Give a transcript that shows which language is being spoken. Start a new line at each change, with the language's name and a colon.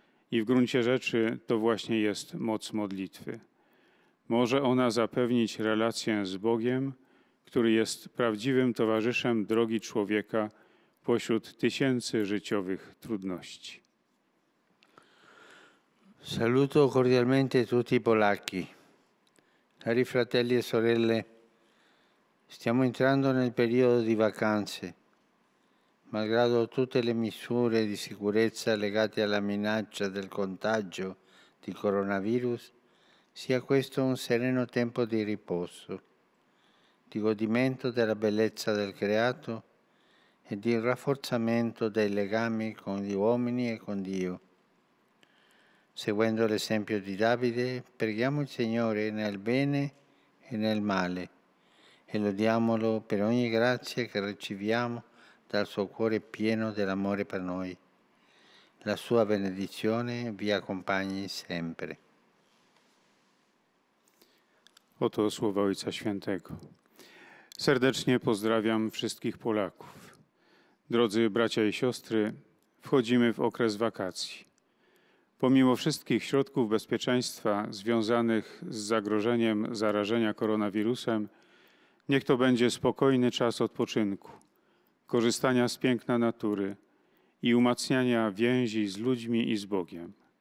Polish: I w gruncie rzeczy to właśnie jest moc modlitwy. Może ona zapewnić relację z Bogiem, który jest prawdziwym towarzyszem drogi człowieka pośród tysięcy życiowych trudności.
Italian: Saluto cordialmente tutti i Polacchi. Cari fratelli e sorelle, stiamo entrando nel periodo di vacanze. Malgrado tutte le misure di sicurezza legate alla minaccia del contagio di coronavirus, sia questo un sereno tempo di riposo, di godimento della bellezza del creato e di rafforzamento dei legami con gli uomini e con Dio. Seguendo l'esempio di Davide, preghiamo il Signore nel bene e nel male e lodiamolo per ogni grazia che riceviamo dal suo cuore pieno dell'amore per noi. La sua benedizione vi accompagni sempre.
Polish: Oto słowa Ojca Świętego. Serdecznie pozdrawiam wszystkich Polaków. Drodzy bracia i siostry, wchodzimy w okres wakacji. Pomimo wszystkich środków bezpieczeństwa związanych z zagrożeniem zarażenia koronawirusem, niech to będzie spokojny czas odpoczynku, korzystania z piękna natury i umacniania więzi z ludźmi i z Bogiem.